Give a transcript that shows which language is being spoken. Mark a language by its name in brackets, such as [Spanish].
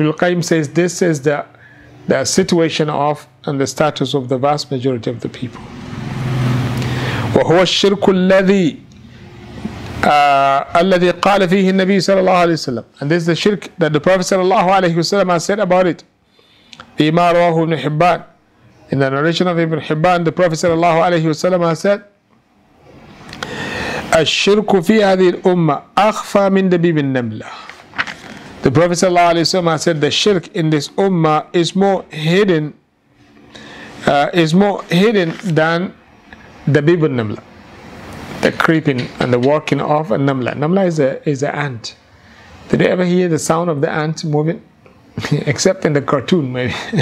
[English] Ibn al-Qayyim says this is the situation of and the status of the vast majority of the people. [Arabic] وَهُوَ الشِّرْكُ الَّذِي قَالَ فِيهِ النَّبِي صلى الله عليه وسلم. [English] And this is the shirk that the Prophet صلى الله عليه وسلم has said about it. [Arabic] فِيمَا رَوَهُ ابْنُ حِبَّان. [English] In the narration of Ibn Hibban, the Prophet صلى الله عليه وسلم has said, [Arabic] الشِّرْكُ فِي هَذِي الْأُمَّةِ أَخْفَى مِنْ دَبِيبِ النَّمْلَةِ. [English] The Prophet ﷺ said the shirk in this ummah is more hidden than the Bibul Namla. the creeping and the working of a namla. Namla is an ant. Did you ever hear the sound of the ant moving? Except in the cartoon, maybe.